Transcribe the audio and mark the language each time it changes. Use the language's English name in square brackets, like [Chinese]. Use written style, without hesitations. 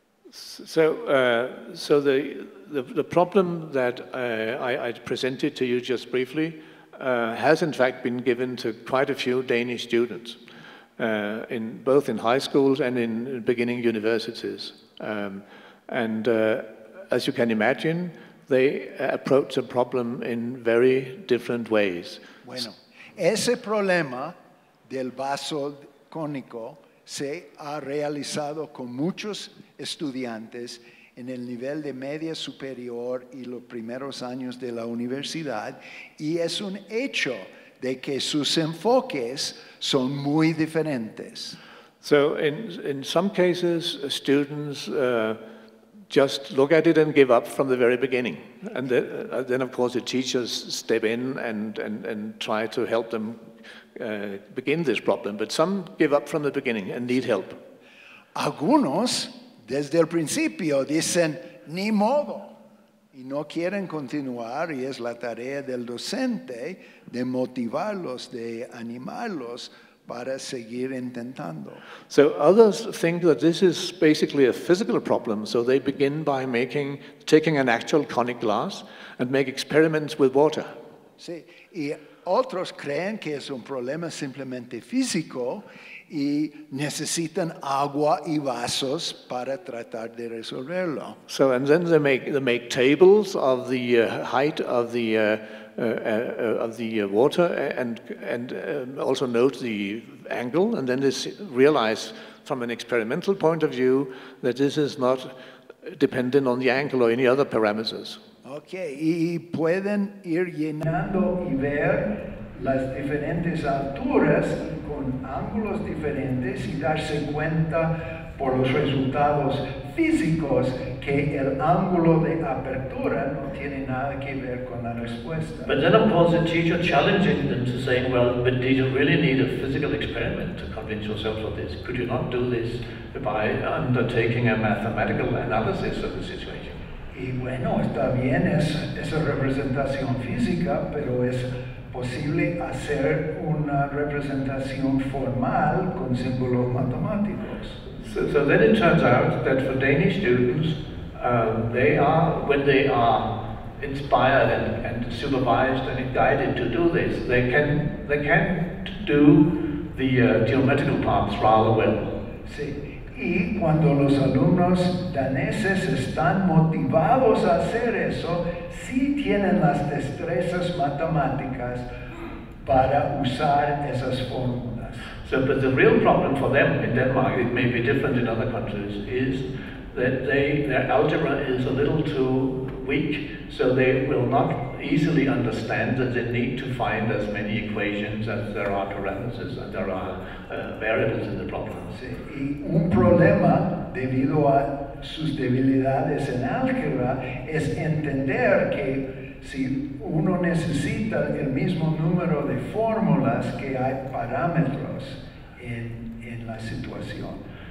[English] So the problem that I presented to you just briefly has in fact been given to quite a few Danish students. in both in high schools and in beginning universities. And as you can imagine, they approach a problem in very different ways. [Spanish] Bueno, ese problema del vaso cónico se ha realizado con muchos estudiantes en el nivel de media superior y los primeros años de la universidad, y es un hecho de que sus enfoques son muy diferentes. [English] So in some cases, students just look at it and give up from the very beginning. And then of course the teachers step in and try to help them begin this problem. But some give up from the beginning and need help. [Spanish] Algunos, desde el principio, dicen, ni modo. Y no quieren continuar, y es la tarea del docente de motivarlos, de animarlos para seguir intentando. [English] So others think that this is basically a physical problem, so they begin by taking an actual conic glass and make experiments with water. [Spanish] Sí, y otros creen que es un problema simplemente físico y necesitan agua y vasos para tratar de resolverlo. [English] So, and then they make tables of the height of the water and also note the angle, and then they realize from an experimental point of view that this is not dependent on the angle or any other parameters. [Spanish] Okay, y pueden ir llenando y ver las diferentes alturas con ángulos diferentes y darse cuenta por los resultados físicos que el ángulo de apertura no tiene nada que ver con la respuesta. [English] But then of course the teacher challenging them to say, well, but do you really need a physical experiment to convince yourself of this? Could you not do this by undertaking a mathematical analysis of the situation? [Spanish] Y bueno, está bien esa representación física, pero es posible hacer una representación formal con símbolos matemáticos. [English] So then it turns out that for Danish students, they are, when they are inspired and supervised and guided to do this, they can do the geometrical parts rather well. [Spanish] Sí. Y cuando los alumnos daneses están motivados a hacer eso, sí tienen las destrezas matemáticas para usar esas fórmulas. [English] So, but the real problem for them in Denmark, it may be different in other countries, is that their algebra is a little too weak, so they will not easily understand that they need to find as many equations as there are parameters and there are variables in the problem. [Spanish] Sí. Y un problema debido a sus debilidades en álgebra es entender que si uno necesita el mismo número de fórmulas que hay parámetros en la situación.